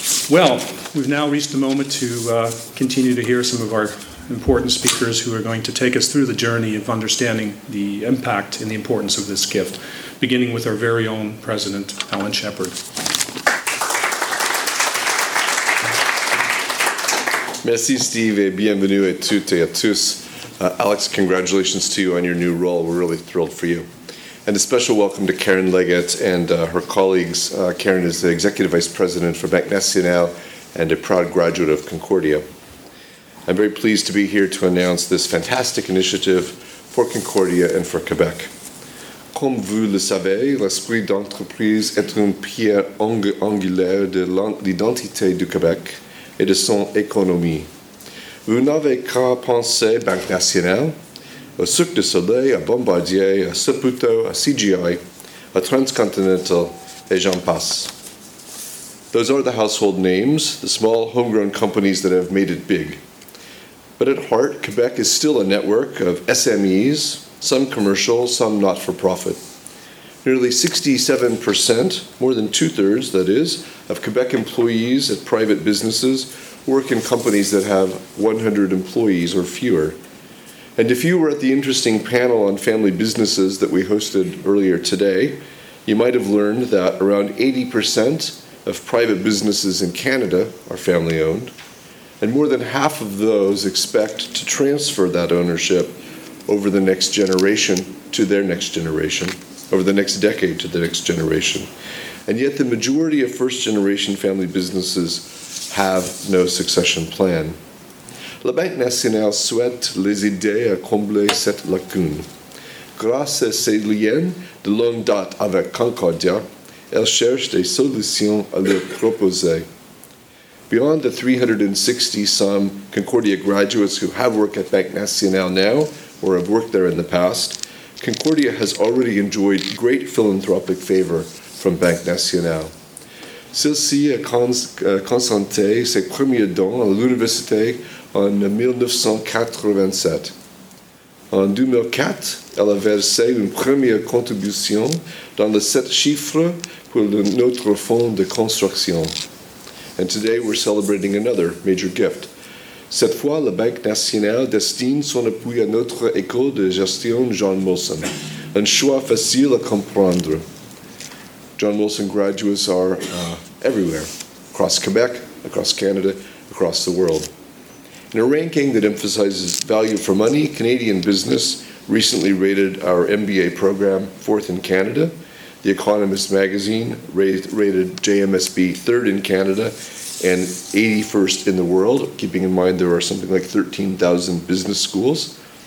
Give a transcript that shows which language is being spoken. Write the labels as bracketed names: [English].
[English] Well, we've now reached the moment to continue to hear some of our important speakers who are going to take us through the journey of understanding the impact and the importance of this gift, beginning with our very own President, Alan Shepard. [French] Merci, Steve, et bienvenue à toutes et à tous. [English] Alex, congratulations to you on your new role. We're really thrilled for you. And a special welcome to Karen Leggett and her colleagues. Karen is the Executive Vice President for Banque Nationale and a proud graduate of Concordia. I'm very pleased to be here to announce this fantastic initiative for Concordia and for Quebec. [French] Comme vous le savez, l'esprit d'entreprise est une pierre angulaire de l'identité du Québec et de son économie. Vous n'avez qu'à penser Banque Nationale, au Cirque du Soleil, à Bombardier, à Saputo, à CGI, à Transcontinental, et j'en passe. [English] Those are the household names, the small homegrown companies that have made it big. But at heart, Quebec is still a network of SMEs, some commercial, some not-for-profit. Nearly 67%, more than two-thirds, that is, of Quebec employees at private businesses work in companies that have 100 employees or fewer. And if you were at the interesting panel on family businesses that we hosted earlier today, you might have learned that around 80% of private businesses in Canada are family owned, and more than half of those expect to transfer that ownership over the next generation to their next generation, over the next decade to the next generation. And yet the majority of first generation family businesses have no succession plan. [French] La Banque Nationale souhaite les aider à combler cette lacune. Grâce à ses liens de longue date avec Concordia, elle cherche des solutions à leur proposer. [English] Beyond the 360-some Concordia graduates who have worked at Banque Nationale now or have worked there in the past, Concordia has already enjoyed great philanthropic favor from Banque Nationale. [French] Celle-ci a consenti ses premiers dons à l'université en 1987. En 2004, elle a versé une première contribution dans les 7 chiffres pour notre fonds de construction. [English] And today we're celebrating another major gift. [French] Cette fois, la Banque Nationale destine son appui à notre école de gestion John Molson, un choix facile à comprendre. [English] John Molson graduates are everywhere, across Quebec, across Canada, across the world. In a ranking that emphasizes value for money, Canadian business recently rated our MBA program fourth in Canada. The Economist magazine rated JMSB third in Canada and 81st in the world, keeping in mind there are something like 13,000 business schools.